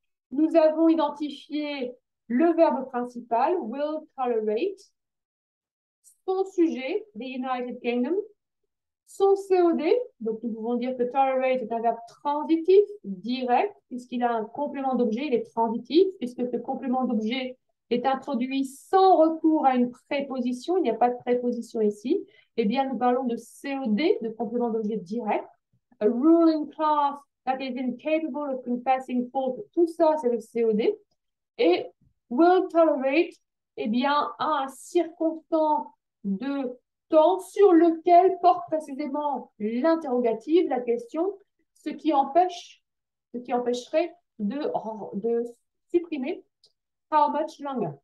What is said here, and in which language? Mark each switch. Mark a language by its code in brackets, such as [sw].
[fr] Nous avons identifié le verbe principal, [en] will tolerate, [fr] son sujet, [en] the United Kingdom, [fr] son COD, donc nous pouvons dire que tolerate est un verbe transitif, direct, puisqu'il a un complément d'objet, il est transitif, puisque ce complément d'objet est introduit sans recours à une préposition, il n'y a pas de préposition ici. Eh bien, nous parlons de COD, de complément d'objet direct, [en] a ruling class. That is incapable of confessing fault. [fr] Tout ça, c'est le COD. Et [en] will tolerate, [fr] eh bien, a un circonstant de temps sur lequel porte précisément l'interrogative, la question, ce qui empêcherait de supprimer [en] how much longer.